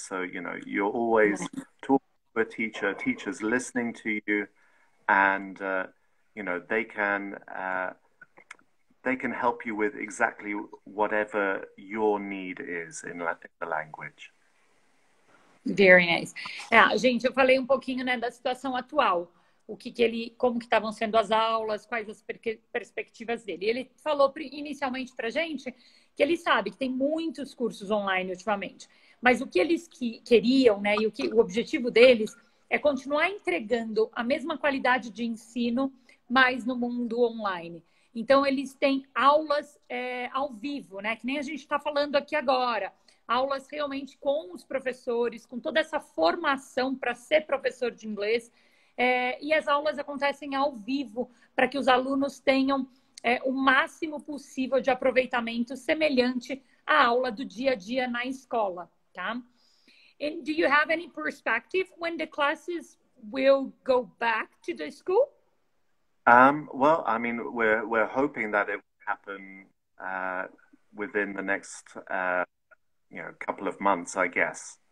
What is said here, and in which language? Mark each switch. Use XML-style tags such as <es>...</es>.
<en>So, you know, you're always talking to a teacher, teachers listening to you, and, you know, they can help you with exactly whatever your need is in the language. Very nice.</en> <pt>Gente, eu falei um pouquinho, né, da situação atual, como que estavam sendo as aulas, quais as perspectivas dele. Ele falou inicialmente para gente que ele sabe que tem muitos cursos online ultimamente, mas o que eles queriam, né, e o objetivo deles é continuar entregando a mesma qualidade de ensino, mas no mundo online. Então, eles têm aulas ao vivo, né, que nem a gente está falando aqui agora. Aulas realmente com os professores, com toda essa formação para ser professor de inglês. E as aulas acontecem ao vivo, para que os alunos tenham o máximo possível de aproveitamento semelhante à aula do dia a dia na escola, tá?</pt> <en>And do you have any perspective when the classes will go back to the school? Well, I mean, we're hoping that it will happen within the next couple of months, I guess.</en>